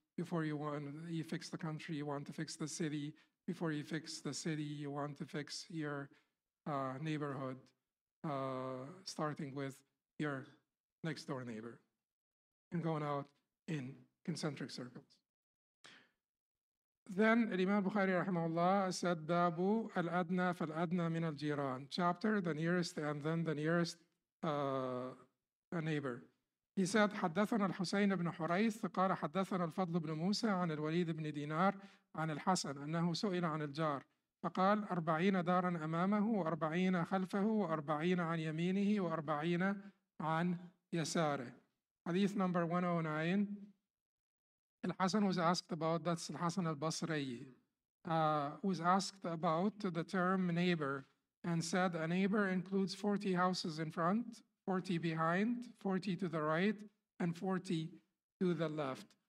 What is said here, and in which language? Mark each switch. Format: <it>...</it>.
<en>Before you fix the country, you want to fix the city. Before you fix the city, you want to fix your neighborhood, starting with your next door neighbor and going out in concentric circles. Then Imam Bukhari rahimahullah said, "Babu al-adna fal-adna min al-jiran," chapter, the nearest and then the nearest a neighbor. He said,</en> <ar>حدثنا الحسين بن حريث قال حدثنا الفضل بن موسى عن الوليد بن دينار عن الحسن أنه سئل عن الجار فقال 40 دارا أمامه وأربعين خلفه وأربعين عن يمينه وأربعين عن يساره.</ar> <en>Hadith number 109. الحسن was asked about, that's الحسن البصري, was asked about the term neighbor and said, a neighbor includes 40 houses in front, 40 behind, 40 to the right, and 40 to the left.</en>